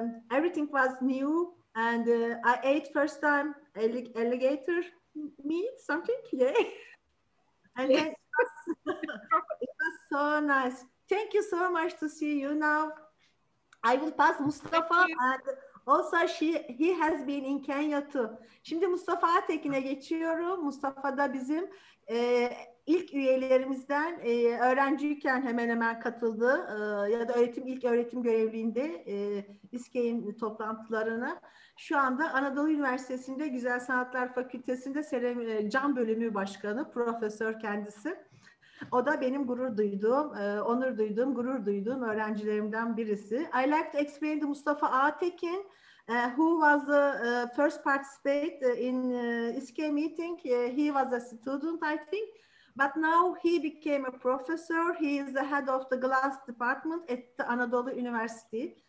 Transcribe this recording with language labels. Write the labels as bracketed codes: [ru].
[en] Everything was new. And I ate first time alligator meat, something. Yay. And yes. It was so nice. Thank you so much to see you now. I will pass Mustafa and also he has been in Kenya too. [tr] Şimdi Mustafa Tekin'e geçiyorum. Mustafa da bizim ilk üyelerimizden öğrenciyken hemen hemen katıldı. Ya da ilk öğretim görevliğinde İSKEY'in toplantılarına. Şu anda Anadolu Üniversitesi'nde Güzel Sanatlar Fakültesi'nde cam bölümü başkanı, profesör kendisi. O da benim onur duyduğum öğrencilerimden birisi. [en] I like to explain to Mustafa Ağatekin, who was the first participant in İSKEY meeting. He was a student, I think. But now he became a professor. He is the head of the glass department at the Anadolu University.